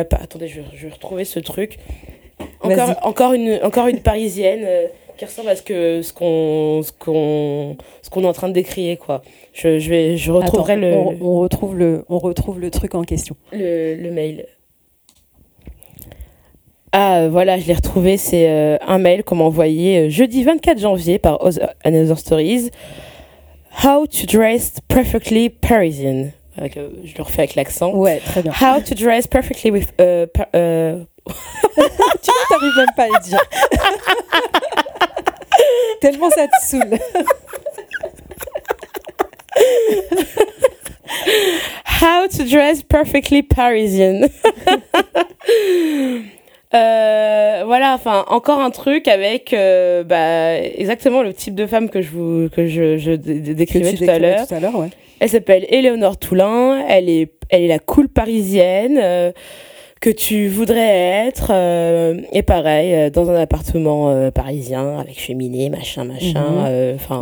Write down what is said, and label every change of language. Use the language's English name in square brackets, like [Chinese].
[French] Attendez, je vais retrouver ce truc. Encore une Parisienne qui ressemble à ce qu'on est en train de décrire, quoi. Je retrouverai Attends, le... On retrouve le truc en question. Le mail. Ah, voilà, je l'ai retrouvé. C'est un mail qu'on m'a envoyé jeudi 24 janvier par Another Stories. [English] How to dress perfectly Parisian. [French] Je le refais avec l'accent. Ouais, très bien. [English] How to dress perfectly with... [French] tu vois, t'arrives même pas à le dire. Tellement ça te saoule. [English] How to dress perfectly Parisian. [French] voilà, enfin, encore un truc avec exactement le type de femme que je décrivais tout à l'heure. Elle s'appelle Éléonore Toulin. Elle est la cool parisienne que tu voudrais être, et pareil, dans un appartement parisien avec cheminée, machin, enfin,